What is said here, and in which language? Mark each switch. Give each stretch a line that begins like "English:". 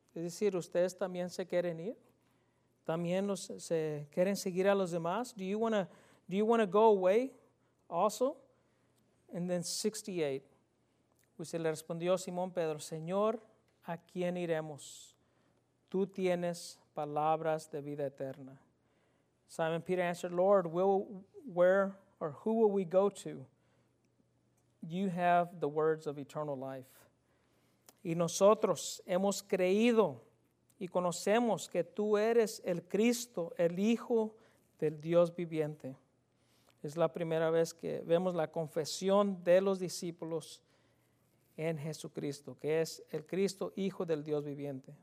Spanish: Es decir, ¿ustedes también se quieren ir? ¿También se quieren seguir a los demás?
English: Do you want to go away also? And then
Spanish: 68, pues se le respondió Simón Pedro, Señor, ¿a quién iremos? Tú tienes palabras de vida eterna.
English: Simon Peter answered, Lord, who will we go to? You have the words of eternal life.
Spanish: Y nosotros hemos creído y conocemos que tú eres el Cristo, el Hijo del Dios viviente. Es la primera vez que vemos la confesión de los discípulos en Jesucristo, que es el Cristo, Hijo del Dios viviente.